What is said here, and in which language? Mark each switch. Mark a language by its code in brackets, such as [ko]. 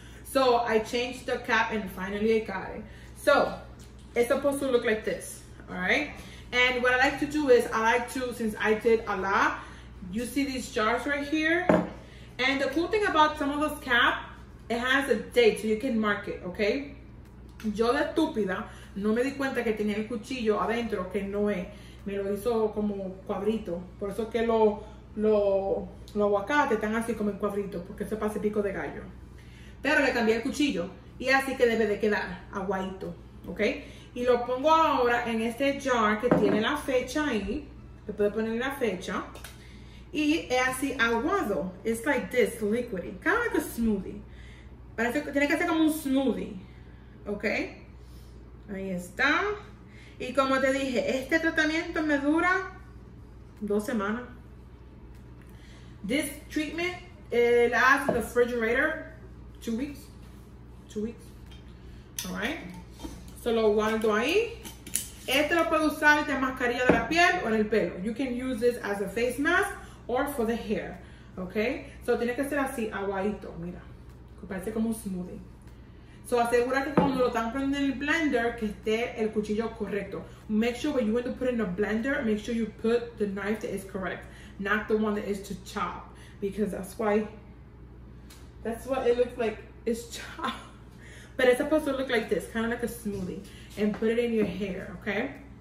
[en] So I changed the cap and finally I got it. So it's supposed to look like this, all right? And what I like to do is I like to, since I did a lot, you see these jars right here, and the cool thing about some of those cap, it has a date so you can mark it, okay? [es] Yo de estúpida, no me di cuenta que tenía el cuchillo adentro, que no es. Me lo hizo como cuadrito. Por eso que los aguacates están así como en cuadrito, porque se pasa pico de gallo. Pero le cambié el cuchillo y así que debe de quedar aguadito, ¿ok? Y lo pongo ahora en este jar que tiene la fecha ahí. Le puedo poner la fecha. Y es así aguado. [en] It's like this, liquidy. Kind of like a smoothie. [es] Parece, tiene que ser como un smoothie. Okay, ahí está. Y como te dije, este tratamiento me dura 2 semanas. [en] This treatment lasts in the refrigerator 2 weeks. 2 weeks. All right. [es] So lo guardo ahí. Este lo puedo usar de mascarilla de la piel o en el pelo. [en] You can use this as a face mask or for the hair. [es] Okay. So tiene que ser así, aguadito. Mira, parece como un smoothie. So asegúrate cuando lo están poniendo en el blender que esté el cuchillo correcto. [en] Make sure when you want to put it in a blender, make sure you put the knife that is correct, not the one that is to chop, because that's what it looks like, it's chopped. But it's supposed to look like this, kind of like a smoothie, and put it in your hair, okay?